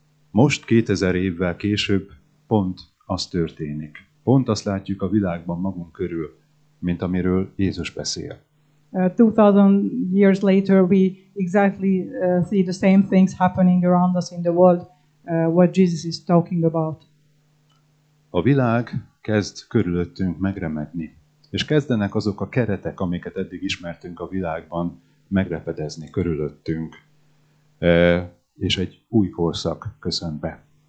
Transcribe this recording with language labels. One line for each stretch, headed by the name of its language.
Hungarian: Most 2000 évvel később pont az történik. Pont azt látjuk a világban magunk körül, mint amiről Jézus beszél.
English: 2000 years later we exactly see the same things happening around us in the world. What Jesus is talking about.
Hungarian: A világ kezd körülöttünk megremegni, és kezdenek azok a keretek, amiket eddig ismertünk a világban, megrepedezni körülöttünk, és egy új korszak köszön be.